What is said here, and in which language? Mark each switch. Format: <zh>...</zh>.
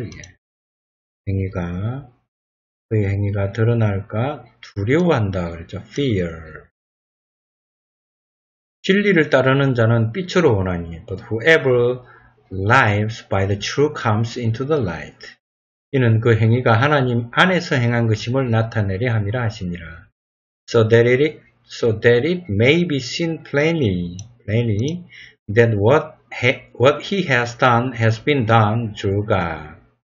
<ko>이게 행위가 그의 행위가 드러날까 두려워한다 그랬죠.</ko> <en>Fear.</en> <ko>진리를 따르는 자는 빛으로 오나니.</ko> <en>But whoever lives by the truth comes into the light.</en> <ko>이는 그 행위가 하나님 안에서 행한 것임을 나타내려 함이라 하시니라.</ko> <en>So that it may be seen plainly that what he has done has been done through God.</en>